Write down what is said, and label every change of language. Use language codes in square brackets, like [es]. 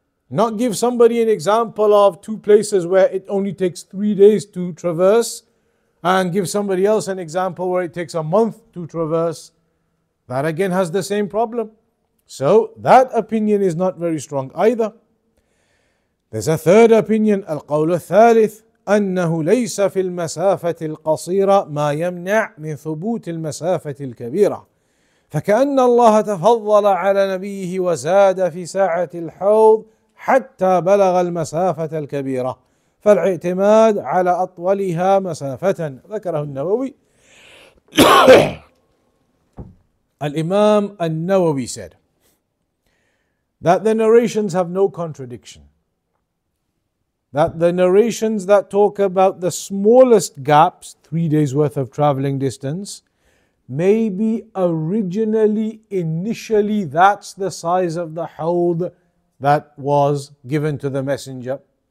[en] Not give somebody an example of two places where it only takes 3 days to traverse, and give somebody else an example where it takes a month to traverse. That, again, has the same problem. So that opinion is not very strong either. There's a third opinion, [ar] القول الثالث أنه ليس في المسافة القصيرة ما يمنع من ثبوت المسافة الكبيرة فكأن الله تفضل على نبيه وزاد في ساعة الحوض حتى بلغ المسافة الكبيرة فالاعتماد على أطولها مسافة ذكره النووي. [en] الإمام النووي said that the narrations have no contradiction. That the narrations that talk about the smallest gaps, 3 days worth of traveling distance, maybe originally, initially, that's the size of the hawd that was given to the messenger.